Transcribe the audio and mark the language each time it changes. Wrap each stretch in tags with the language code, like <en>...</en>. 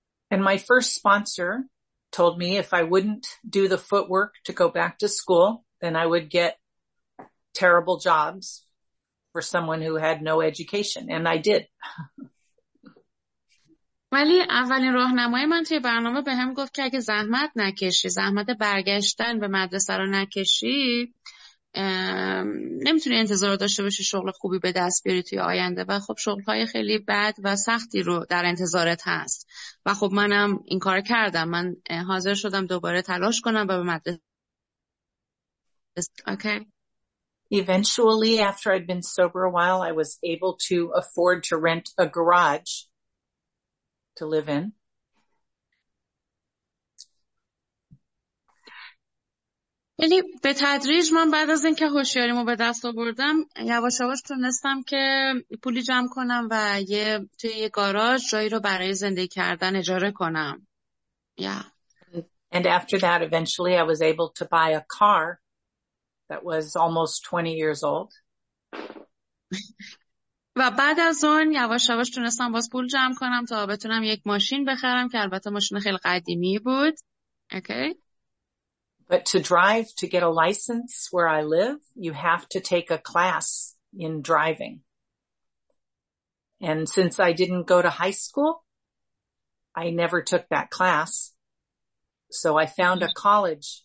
<en>And my first sponsor told me if I wouldn't do the footwork to go back to school, then I would get terrible jobs for someone who had no education. And I did.</en> <fa>ولی اولین راهنمای من توی برنامه به هم گفت که اگه زحمت نکشی، زحمت برگشتن به مدرسه رو نکشی، نمیتونی انتظار داشته باشی شغل خوبی به دست بیاری توی آینده و خب شغل‌های خیلی بد و سختی رو در انتظارت هست و خب منم این کار کردم، من حاضر شدم دوباره تلاش کنم و به مدرسه.</fa> <en>Okay. Eventually after I'd been sober a while I was able to afford to rent a garage to live in.</en> <fa>یعنی به تدریج من بعد از اینکه هوشیاریمو به دست آوردم یواش یواش تونستم که پولی جمع کنم و توی یه گاراژ جایی رو برای زندگی کردن اجاره کنم.</fa> <en>Yeah. And after that eventually I was able to buy a car that was almost 20 years old.</en> <fa>و بعد از اون یواش یواش تونستم باز پول جمع کنم تا بتونم یک ماشین بخرم که البته ماشین خیلی قدیمی بود.</fa> <en>Okay. But to drive, to get a license where I live, you have to take a class in driving. And since I didn't go to high school, I never took that class. So I found a college</en>